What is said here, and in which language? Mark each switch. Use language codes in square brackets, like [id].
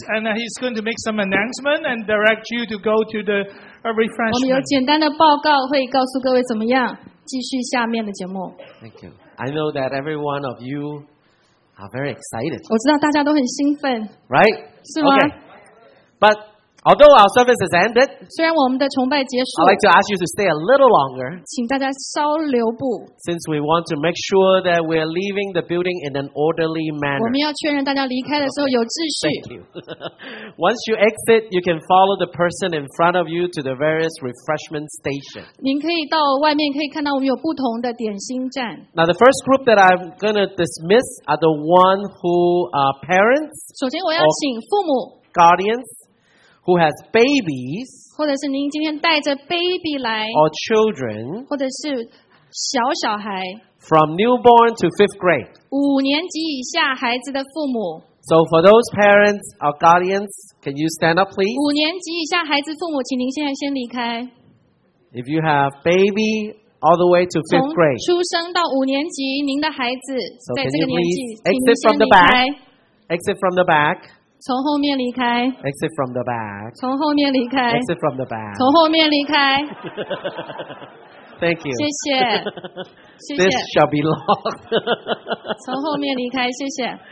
[en] And he's going to make some announcement and direct you to go to the refreshment. [zh] 我们有简单的报告会告诉各位怎么样继续下面的节目 [en] Thank you. I know that every one of you are very excited. [zh] 我知道大家都很兴奋 [en] Right? [zh] 是吗 [en] Okay. But although our service has ended, [zh] 虽然我们的崇拜结束 [en] I'd like to ask you to stay a little longer. [zh] 请大家稍留步 [en] Since we want to make sure that we're leaving the building in an orderly manner. [zh] 我们要确认大家离开的时候有秩序 [en] Thank you. Once you exit, you can follow the person in front of you to the various refreshment stations. [zh] 您可以到外面可以看到我们有不同的点心站 [en] Now the first group that I'm going to dismiss are the ones who are parents. [zh] 首先我要请父母 [en] Guardians. Who has babies, [zh] 或者是您今天带着 baby 来 [en] or children, [zh] 或者是小小孩 [en] from newborn to fifth grade, [zh] 五年级以下孩子的父母 [en] So for those parents or guardians, can you stand up please? [zh] 五年级以下孩子父母请您现在先离开 [en] If you have baby all the way to fifth grade, [zh] 从出生到五年级您的孩子在这个年纪 [en] So can you please exit from the back? Exit from the back. [zh] 从后面离开。 [en] Exit from the back. [zh] 从后面离开。 [en] Exit from the back. [zh] 从后面离开。 [en] Thank you. [zh] 谢谢。 [en] This shall be locked. [zh] 从后面离开，谢谢。